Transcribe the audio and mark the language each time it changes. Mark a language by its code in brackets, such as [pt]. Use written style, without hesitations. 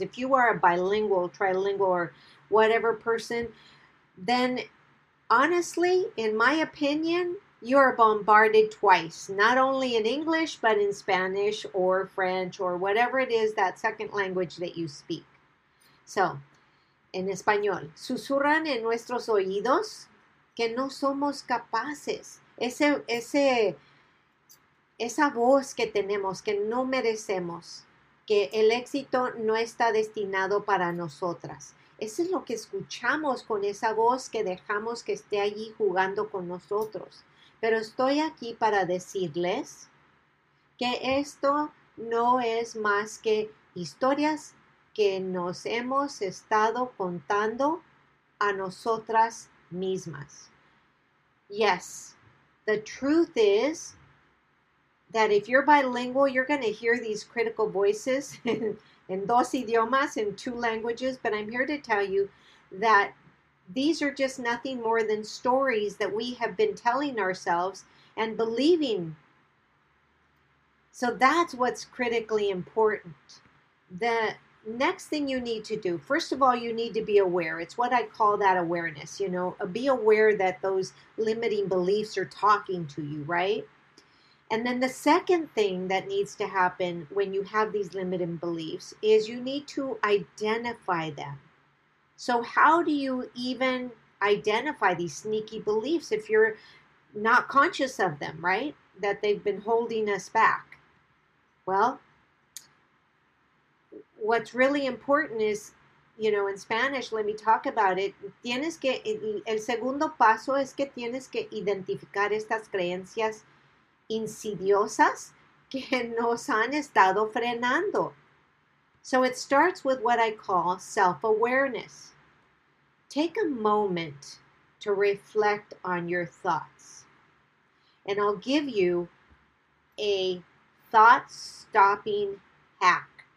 [en] If you are a bilingual, trilingual, or whatever person, then honestly, in my opinion, you are bombarded twice, not only in English, but in Spanish or French or whatever it is, that second language that you speak. So [es] en español, susurran en nuestros oídos que no somos capaces. Esa voz que tenemos, que no merecemos, que el éxito no está destinado para nosotras. Eso es lo que escuchamos con esa voz que dejamos que esté allí jugando con nosotros. Pero estoy aquí para decirles que esto no es más que historias que nos hemos estado contando a nosotras mismas. [en] Yes, the truth is that if you're bilingual, you're going to hear these critical voices in dos idiomas, in two languages, but I'm here to tell you that these are just nothing more than stories that we have been telling ourselves and believing. So that's what's critically important. The next thing you need to do, first of all, you need to be aware. It's what I call that awareness, you know, be aware that those limiting beliefs are talking to you, right? And then the second thing that needs to happen when you have these limiting beliefs is you need to identify them. So how do you even identify these sneaky beliefs if you're not conscious of them, right? That they've been holding us back. Well, what's really important is, you know, in Spanish, let me talk about it. [es] Tienes que, el segundo paso es que tienes que identificar estas creencias insidiosas que nos han estado frenando. [en] So it starts with what I call self-awareness. Take a moment to reflect on your thoughts. And I'll give you a thought-stopping hack.